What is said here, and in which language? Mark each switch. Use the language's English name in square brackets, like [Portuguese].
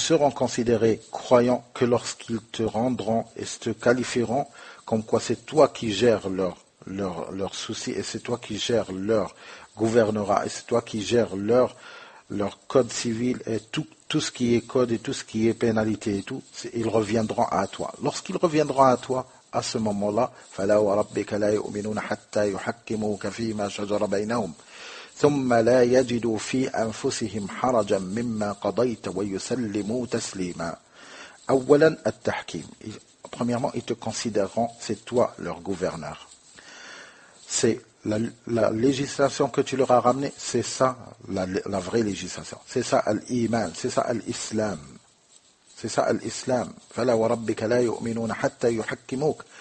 [French] considérés croyants que lorsqu'ils te rendront et te qualifieront comme quoi c'est toi qui gères leur souci et c'est toi qui gères leur gouvernera et c'est toi qui gères leur code civil et tout ce qui est code et tout ce qui est pénalité et tout, ils reviendront à toi. Lorsqu'ils reviendront à toi, à ce moment-là, [Arabic] فَلَا وَرَبِّكَ لَا يُؤْمِنُونَ حَتَّى يُحَكِّمُوكَ فِي مَا شَجَرَ بَيْنَهُمْ ثُمَّ لَا يَجِدُوا فِي أَنفُسِهِمْ حَرَجًا مِمَّا قَضَيْتَ وَيُسَلِّمُوا تَسْلِيمًا أَوَّلًا التَّحْكِيمِ. [French] Premièrement, ils te considéreront, c'est toi leur gouverneur. C'est la législation que tu leur as ramenée, c'est ça la vraie législation. C'est ça l'iman, c'est ça l'islam. C'est ça l'islam. [Arabic] فَلَا وَرَبِّكَ لَا يُؤْمِنُونَ حَتَّى يُحَكِّمُوكَ.